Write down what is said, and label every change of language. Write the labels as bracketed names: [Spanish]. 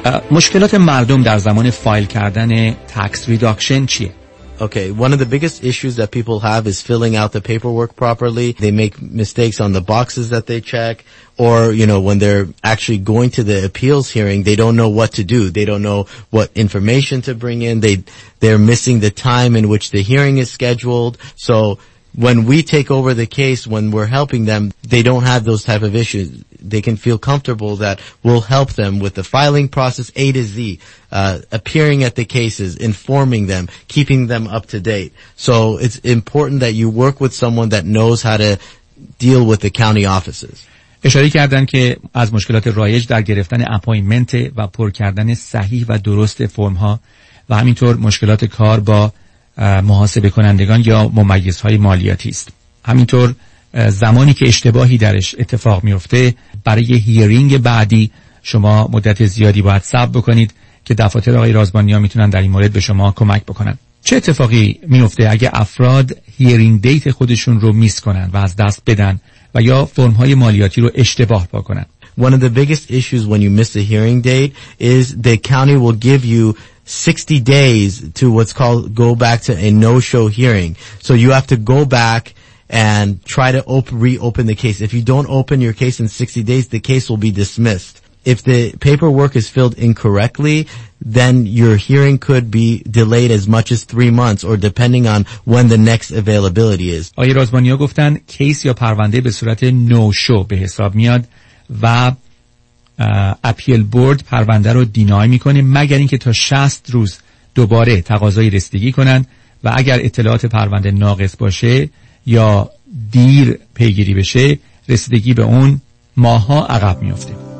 [Persian] مشکلات مردم در زمان فایل کردن تکس ریداکشن چیه؟ [English] Okay, one of the biggest issues that people have is filling out the paperwork properly. They make mistakes on the boxes that they check, or, you know, when they're actually going to the appeals hearing, they don't know what to do. They don't know what information to bring in. They're missing the time in which the hearing is scheduled. So when we take over the case, when we're helping them, they don't have those type of issues. They can feel comfortable that we'll help them with the filing process A to Z, appearing at the cases, informing them, keeping them up to date. So it's important that you work with someone that knows how to deal with the county offices. [Persian] اشاره کردن که از مشکلات رایج در گرفتن اپایمنت و پر کردن صحیح و درست فرم ها و همینطور مشکلات کار با محاسبه کنندگان یا ممیز های مالیاتی است. همینطور زمانی که اشتباهی درش اتفاق میفته، برای هیرینگ بعدی شما مدت زیادی باید صبر بکنید که دفاتر آقای رازبانیا میتونن در این مورد به شما کمک بکنن. چه اتفاقی میفته اگه افراد هیرینگ دیت خودشون رو میس کنن و از دست بدن و یا فرم های مالیاتی رو اشتباه پر کنن؟ [English] One of the biggest issues when you miss a hearing date is the county will give you 60 days to what's called go back to a no-show hearing. So you have to go back and try to reopen the case. If you don't open your case in 60 days, the case will be dismissed. If the paperwork is filled incorrectly, then your hearing could be delayed as much as 3 months or depending on when the next availability is. [Persian] آقای رازبانیا گفتن کیس یا پرونده به صورت نو شو به حساب میاد و اپیل بورد پرونده رو دینای میکنه مگر اینکه تا 60 روز دوباره تقاضای رسیدگی کنن و اگر اطلاعات پرونده ناقص باشه یا دیر پیگیری بشه، رسیدگی به اون ماها عقب میفته.